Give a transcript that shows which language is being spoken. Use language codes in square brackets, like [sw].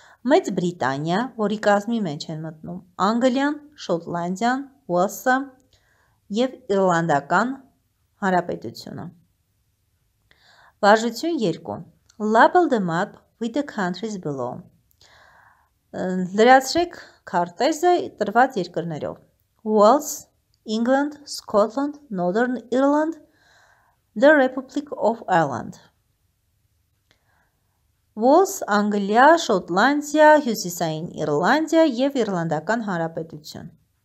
[hy] Մեծ Բրիտանիա, որի կազմի մեջ են մտնում Անգլիան, Շոտլանդիան, Ուելսը և Իռլանդական Հանրապետությունը։ Վարժություն 2. [en] Label the map with the countries below. [hy] Լրացրեք քարտեզը տրված երկրներով. [en] Wales, England, Scotland, Northern Ireland, the Republic of Ireland. [hy] Ուելս, Անգլիա, Շոտլանդիա, Հյուսիսային Իռլանդիա և Իռլանդական Հանրապետություն։